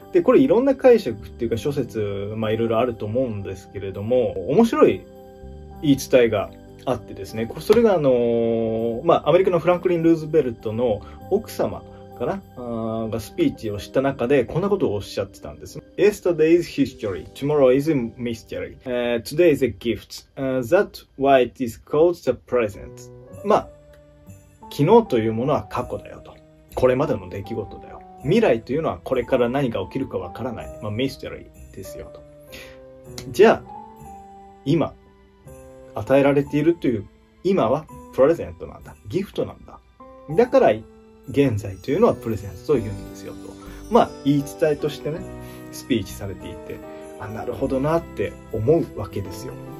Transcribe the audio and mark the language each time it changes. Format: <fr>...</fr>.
<ja>でこれいろんな解釈っていうか諸説、まあいろいろあると思うんですけれども、面白い言い伝えがあってですね、それがまあアメリカのフランクリン・ルーズベルトの奥様かな、がスピーチをした中でこんなことをおっしゃってたんです。</ja> <en>Yesterday is history, tomorrow is a mystery, today is a gift, that's why it is called the present.</en> <ja>まあ昨日というものは過去だよと、これまでの出来事だよ、未来というのはこれから何が起きるかわからない、まあ、ミステリーですよと。じゃあ今与えられているという今はプレゼントなんだ、ギフトなんだ、だから現在というのはプレゼントと言うんですよと、まあ言い伝えとしてねスピーチされていて、あなるほどなって思うわけですよ。</ja>